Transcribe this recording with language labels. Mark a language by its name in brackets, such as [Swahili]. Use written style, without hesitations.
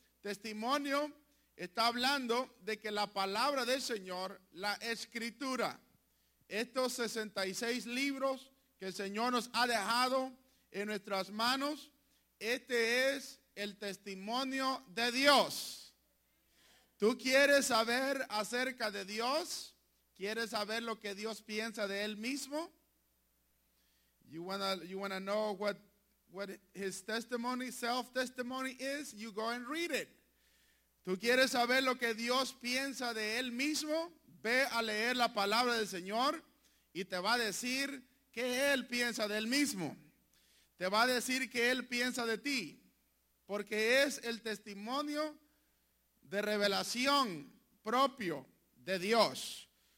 [Spanish] Testimonio está hablando de que la palabra del Señor, la escritura, estos 66 libros que el Señor nos ha dejado en nuestras manos, este es el testimonio de Dios. ¿Tú quieres saber acerca de Dios? ¿Quieres saber lo que Dios piensa de él mismo? [English] You wanna know what his testimony, self-testimony is? You go and read it. [Spanish] ¿Tú quieres saber lo que Dios piensa de él mismo? Ve a leer la palabra del Señor y te va a decir qué él piensa de él mismo. Te va a decir qué él piensa de ti. Porque es el testimonio de revelación propio de Dios.